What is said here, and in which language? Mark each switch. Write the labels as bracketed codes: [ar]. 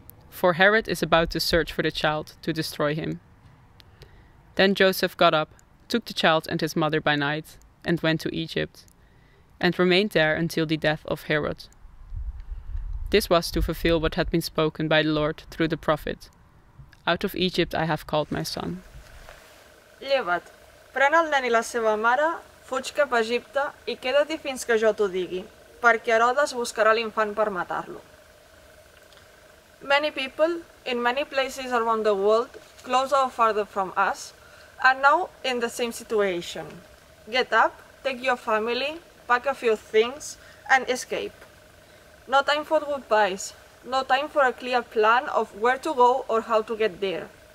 [en] For Herod is about to search for the child to destroy him. Then Joseph got up, took the child and his mother by night, and went to Egypt, and remained there until the death of Herod. This was to fulfill what had been spoken by the Lord through the prophet. Out of Egypt I have called my son. [ca] Lleva't, pren el nen i la seva mare, fuig cap a Egipte i queda-t'hi fins que jo t'ho digui, perquè Herodes buscarà l'infant per matar-lo. [en] Many people in many places around the world, closer or farther from us, are now in the same situation. Get up, take your family, pack a few things and escape. No time for goodbyes, no time for a clear plan of where to go or how to get there.